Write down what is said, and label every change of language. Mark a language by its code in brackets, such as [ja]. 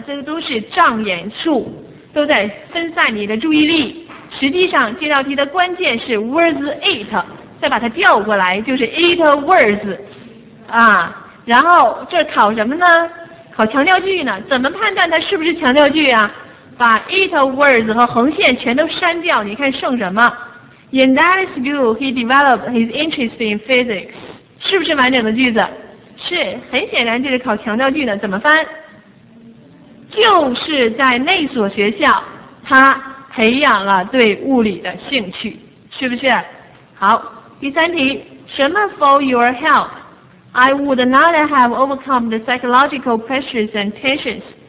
[zh] 这都是障眼处，都在分散你的注意力。实际上这道题的关键是 was it, 再把它调过来就是 it was, 啊，然后这考什么呢？考强调句呢？怎么判断它是不是强调句啊？把 it was 和横线全都删掉，你看剩什么？ [en] In that school, he developed his interest in physics. [zh] 是不是完整的句子？是，很显然这是考强调句的。怎么翻？就是在那所学校，他培养了对物理的兴趣，是不是？好，第三题，什么 [en] for your help? I would not have overcome the psychological pressures and tensions.